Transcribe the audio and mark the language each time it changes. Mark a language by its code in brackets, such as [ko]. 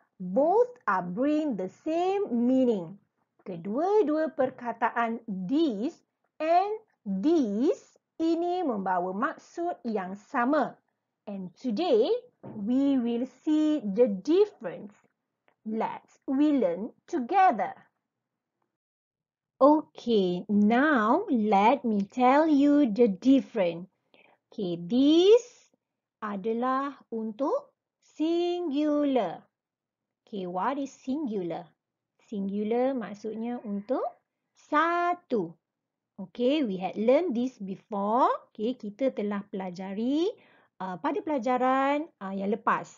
[en] Both are bring the same meaning. [ms] Kedua-dua perkataan these and these ini membawa maksud yang sama. [en] And today, we will see the difference. Let's we learn together. Okay, now let me tell you the difference. [ms] Okay, these adalah untuk singular. [en] Okay, what is singular? Singular [ms] maksudnya untuk satu. [en] Okay, we had learned this before. [ms] Okay, kita telah pelajari pada pelajaran yang lepas.